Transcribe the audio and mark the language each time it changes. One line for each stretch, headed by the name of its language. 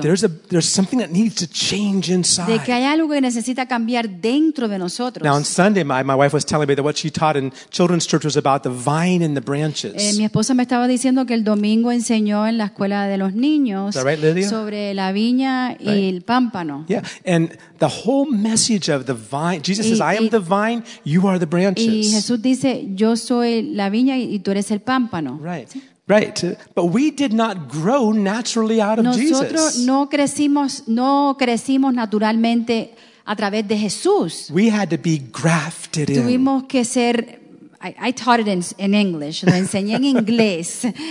English: That there's something that needs to change inside.
Spanish: De que hay algo que necesita cambiar dentro de nosotros.
English: Now on Sunday, my wife was telling me that what she taught in children's church was about the vine and the branches.
Spanish: Mi esposa me estaba diciendo que el domingo enseñó en la escuela de los niños.
English: Is that right, Lydia?
Spanish: Sobre la viña y right. El pampa.
English: Yeah, and the whole message of the vine, Jesus says, I am the vine, you are the branches.
Spanish: Y Jesús dice, yo soy la viña y tú eres el pámpano.
English: Right. ¿Sí? Right, but we did not grow naturally out of
Spanish: nosotros
English: Jesus.
Spanish: Nosotros no crecimos naturalmente a través de Jesús.
English: We had to be grafted
Spanish: tuvimos
English: in.
Spanish: Tuvimos que ser,
English: I taught it in English,
Spanish: lo enseñé en inglés.